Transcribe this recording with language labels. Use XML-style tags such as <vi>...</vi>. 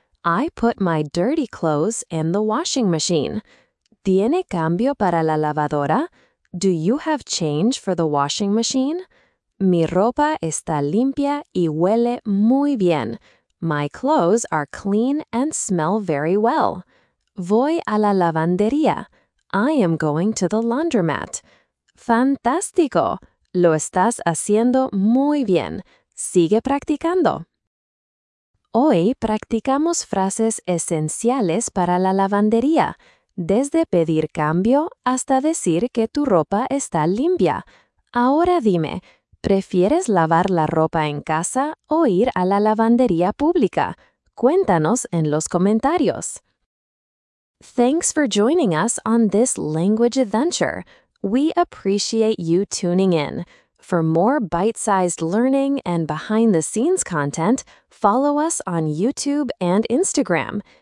<en>I put my dirty clothes in the washing machine.</en> <es>¿Tiene cambio para la lavadora?</es> <en>Do you have change for the washing machine?</en> <es>Mi ropa está limpia y huele muy bien.</es> <en>My clothes are clean and smell very well.</en> <es>Voy a la lavandería.</es> <en>I am going to the laundromat.</en> <es>¡Fantástico! Lo estás haciendo muy bien. Sigue practicando. Hoy practicamos frases esenciales para la lavandería. Desde pedir cambio hasta decir que tu ropa está limpia. Ahora dime, ¿prefieres lavar la ropa en casa o ir a la lavandería pública? Cuéntanos en los comentarios.</es> <en>Thanks for joining us on this language adventure. We appreciate you tuning in. For more bite-sized learning and behind-the-scenes content, follow us on YouTube and Instagram.</en>